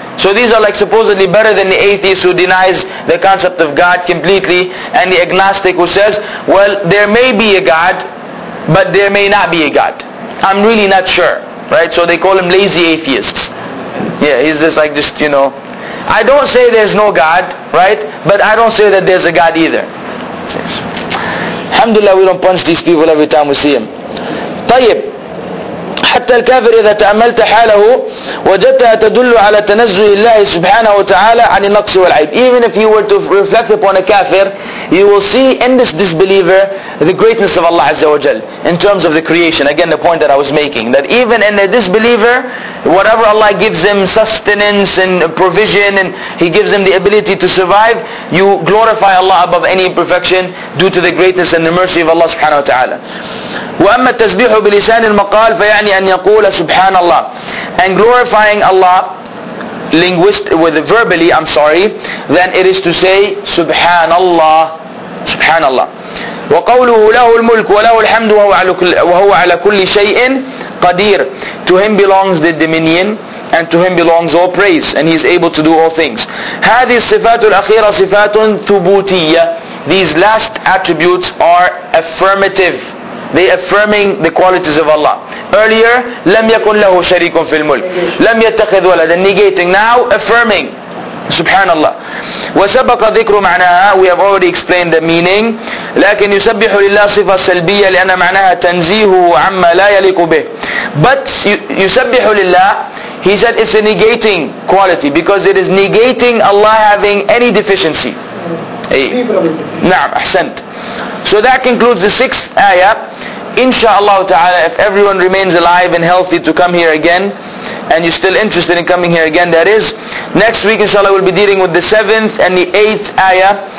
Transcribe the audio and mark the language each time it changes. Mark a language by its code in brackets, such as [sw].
[en] So these are like supposedly better than the atheist who denies the concept of God completely, and the agnostic who says, well, there may be a God, but there may not be a God. I'm really not sure. Right? So they call him lazy atheists. Yeah, he's just like, I don't say there's no God, right? But I don't say that there's a God either. Alhamdulillah, we don't punch these people every time we see him. Tayyib. [ar] حتى الكافر إذا تأملت حاله وجدتها تدل على تنزه الله سبحانه وتعالى عن النقص والعيب. [en] Even if you were to reflect upon a kafir, you will see in this disbeliever the greatness of Allah Azza wa Jal in terms of the creation. Again, the point that I was making, that even in a disbeliever, whatever Allah gives him, sustenance and provision, and he gives him the ability to survive, you glorify Allah above any imperfection due to the greatness and the mercy of Allah subhanahu wa ta'ala. [ar] وأما التسبيح بلسان المقال فيعني أن يقول سبحان الله. [en] And glorifying Allah verbally, then it is to say Subhanallah. Subhanallah. [ar] وقوله له الملك وله الحمد وهو على كل شيء قدير. [en] To him belongs the dominion and to him belongs all praise, and he is able to do all things. [ar] هذه الصفات الأخيرة صفات ثبوتية. [en] These last attributes are affirmative. They affirming the qualities of Allah. [ar] Earlier, لم يكن له شريك في الملك. لم يتخذ ولدا. [en] Negating. Now, affirming. Subhanallah. [ar] وسبق ذكر معناها. [en] We have already explained the meaning. [ar] لكن يسبح لله صفة سلبية لأن معناها تنزيه عما لا يليق به. [en] But يسبح لله, he said it's a negating quality because it is negating Allah having any deficiency. [ar] نعم أحسنت. [en] So that concludes the sixth ayah. Insha'Allah ta'ala, if everyone remains alive and healthy to come here again, and you're still interested in coming here again, that is, next week inshallah we'll be dealing with the seventh and the eighth ayah.